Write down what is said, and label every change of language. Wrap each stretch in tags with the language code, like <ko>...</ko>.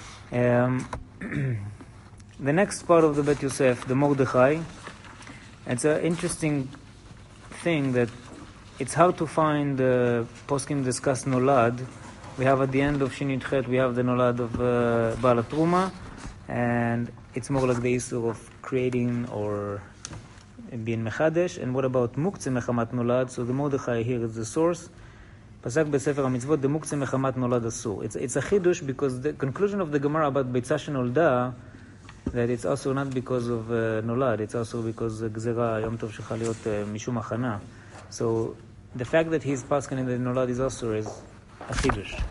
<en>the next part of the Bet Yosef, the Mordechai, it's an interesting thing that it's hard to find the Poskim discuss Nolad. We have at the end of Shin Yud Chet, we have the Nolad of Baal HaTruma, and it's more like the issue of creating or being Mechadesh. And what about Mukze Mechamat Nolad? So the Mordechai here is the source.</en> <he>פסק בספר המצוות דמוקצה מחמת נולד אסור.</he> <en>It's a חידוש, because the conclusion of the Gemara about ביצה שנולדה that it's also not because of nolad, it's also because</en> <he>gzera yom tov shechal yot mishum achana.</he> <en>So the fact that he's paskin in the nolad is also is a chidush.</en>